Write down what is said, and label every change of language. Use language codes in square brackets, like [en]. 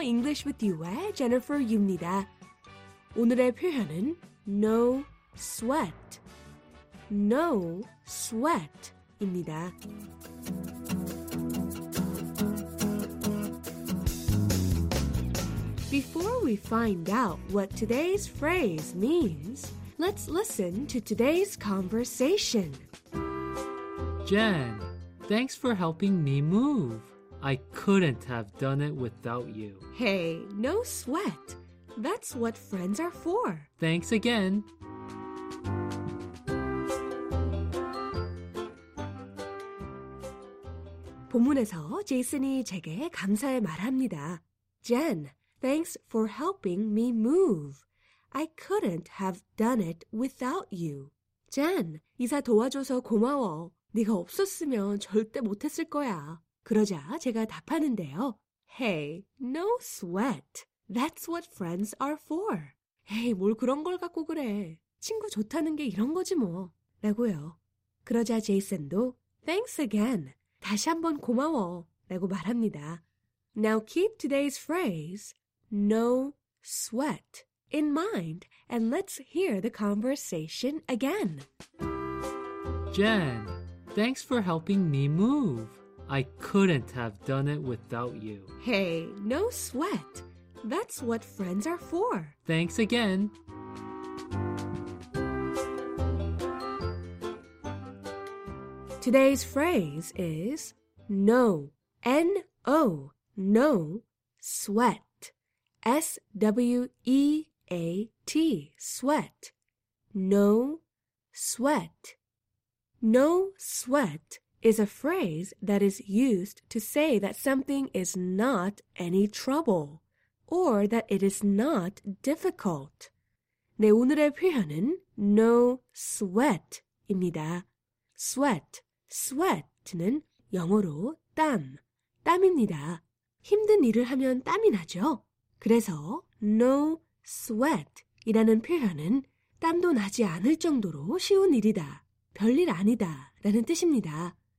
[ko] English with you의 제니퍼 유입니다. 오늘의 표현은 no sweat, no sweat입니다. [en] Before we find out what today's phrase means, let's listen to today's conversation. Jen, thanks for helping me move. I couldn't have done it without you. Hey, no sweat. That's what friends are for. Thanks again. [ko] 본문에서 제이슨이 제게 감사의 말합니다. [en] Jen, thanks for helping me move. I couldn't have done it without you. [ko] Jen, 이사 도와줘서 고마워. 네가 없었으면 절대 못했을 거야. 그러자 제가 답하는데요. [en] Hey, no sweat. That's what friends are for. [ko] 에이, 뭘 그런 걸 갖고 그래. 친구 좋다는 게 이런 거지 뭐. 라고요. 그러자 제이슨도 [en] Thanks again. [ko] 다시 한번 고마워. 라고 말합니다. [en] Now keep today's phrase, no sweat, in mind and let's hear the conversation again. Jen, thanks for helping me move. I couldn't have done it without you. Hey, no sweat. That's what friends are for. Thanks again. 'Today's phrase is no, N-O, no sweat, S-W-E-A-T, sweat, no sweat. No sweat is a phrase that is used to say that something is not any trouble. Or that it is not difficult. [ko] 네, 오늘의 표현은 no sweat입니다. Sweat, sweat는 영어로 땀, 땀입니다. 힘든 일을 하면 땀이 나죠? 그래서 no sweat 이라는 표현은 땀도 나지 않을 정도로 쉬운 일이다, 별일 아니다 라는 뜻입니다.